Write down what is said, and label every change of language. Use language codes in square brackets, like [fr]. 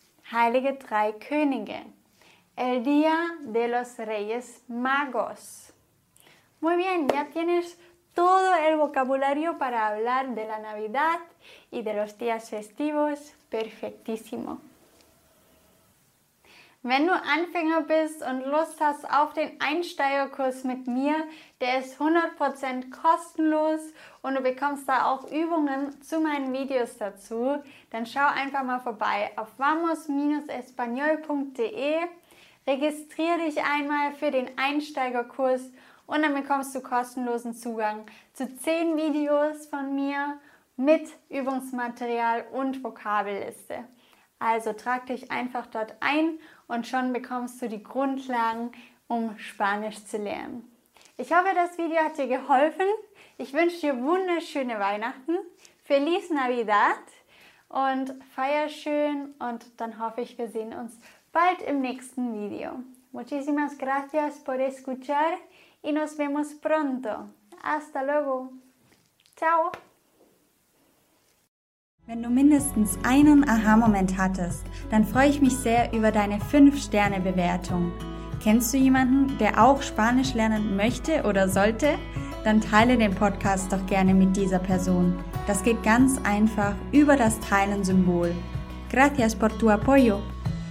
[de] Heilige Drei Könige. [es] El Día de los Reyes Magos. Muy bien, ya tienes todo el vocabulario para hablar de la Navidad y de los días festivos. Perfectísimo. [de] Wenn du Anfänger bist und Lust hast auf den Einsteigerkurs mit mir, der ist 100% kostenlos und du bekommst da auch Übungen zu meinen Videos dazu, dann schau einfach mal vorbei auf vamos-espanol.de. Registrier dich einmal für den Einsteigerkurs und dann bekommst du kostenlosen Zugang zu 10 Videos von mir mit Übungsmaterial und Vokabelliste. Also trag dich einfach dort ein und schon bekommst du die Grundlagen, um Spanisch zu lernen. Ich hoffe, das Video hat dir geholfen. Ich wünsche dir wunderschöne Weihnachten. [es] Feliz Navidad [de] und feier schön und dann hoffe ich, wir sehen uns bald im nächsten Video. [es] Muchísimas gracias por escuchar y nos vemos pronto. Hasta luego. Ciao. [de] Wenn du mindestens einen Aha-Moment hattest, dann freue ich mich sehr über deine 5-Sterne-Bewertung. Kennst du jemanden, der auch Spanisch lernen möchte oder sollte? Dann teile den Podcast doch gerne mit dieser Person. Das geht ganz einfach über das Teilen-Symbol. [es] Gracias por tu apoyo.